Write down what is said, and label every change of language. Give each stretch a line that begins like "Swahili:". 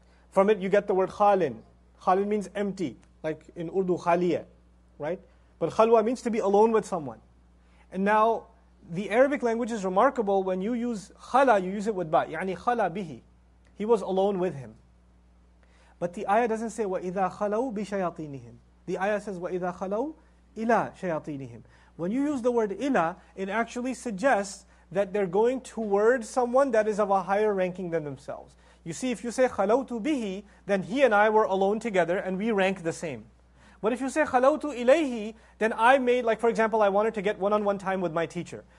English: From it you get the word khalin. Khalin means empty, like in Urdu, khaliya, right? But khalwa means to be alone with someone. And now, the Arabic language is remarkable. When you use khala, you use it with ba.
Arabic: يعني khala bihi.
English: He was alone with him. But the ayah doesn't say,
Arabic: وَإِذَا خَلَوْا بِشَيَاطِينِهِمْ.
English: The ayah says,
Arabic: وَإِذَا خَلَوْا إِلَىٰ شَيَاطِينِهِمْ.
English: When you use the word إِلَىٰ, it actually suggests that they're going towards someone that is of a higher ranking than themselves. You see, if you say
Arabic: خَلَوْتُ بِهِ,
English: then he and I were alone together and we rank the same. But if you say
Arabic: خَلَوْتُ إِلَيْهِ,
English: then I made, like for example, I wanted to get one-on-one time with my teacher.